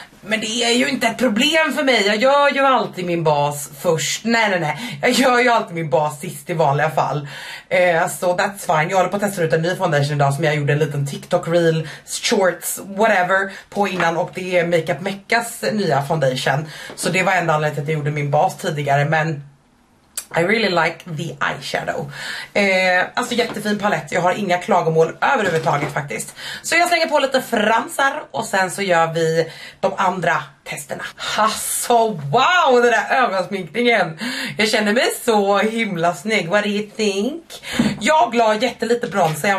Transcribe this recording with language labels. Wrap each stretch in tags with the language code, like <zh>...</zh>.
<sv>Men det är ju inte ett problem för mig. Jag gör ju alltid min bas först. Nej. Jag gör ju alltid min bas sist i vanliga fall. Så</sv> <en>that's fine.</en> <sv>Jag håller på att testa ut en ny foundation idag som jag gjorde en liten TikTok reel, shorts, whatever på innan. Och det är Makeup Meccas nya foundation. Så det var enda anledningen att jag gjorde min bas tidigare.</sv> <en>Men I really like the eyeshadow.</en> <sv>Alltså jättefin palett. Jag har inga klagomål överhuvudtaget faktiskt. Så jag slänger på lite fransar. Och sen så gör vi de andra testerna. Alltså wow, den där ögonsminkningen. Jag känner mig så himla snygg.</sv> <en>What do you think?</en> <sv>Jag la jättelite bronzer.</sv>